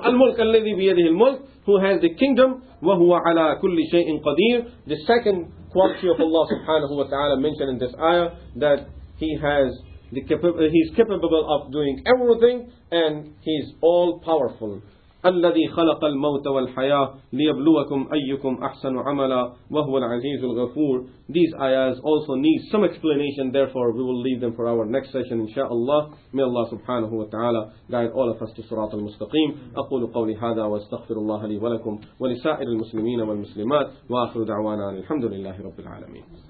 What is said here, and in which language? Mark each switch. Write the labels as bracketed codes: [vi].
[ar] Al-mulk alladhi biyadihi al-mulk. [en] Who has the kingdom. [ar] Wa huwa ala kulli shay'in qadir. [en] The second quality of Allah subhanahu wa ta'ala mentioned in this ayah, that he has the he is capable of doing everything and he is all powerful. [ar] الذي خلق الموت والحياة ليبلوكم أيكم أحسن عملا وهو العزيز الغفور. [en] These ayahs also need some explanation, therefore we will leave them for our next session inshaAllah. May Allah subhanahu wa ta'ala guide all of us to surat al-mustaqim. [ar] أقول قولي هذا واستغفر الله لي ولكم ولسائر المسلمين والمسلمات وآخر دعوانا الحمد لله رب العالمين.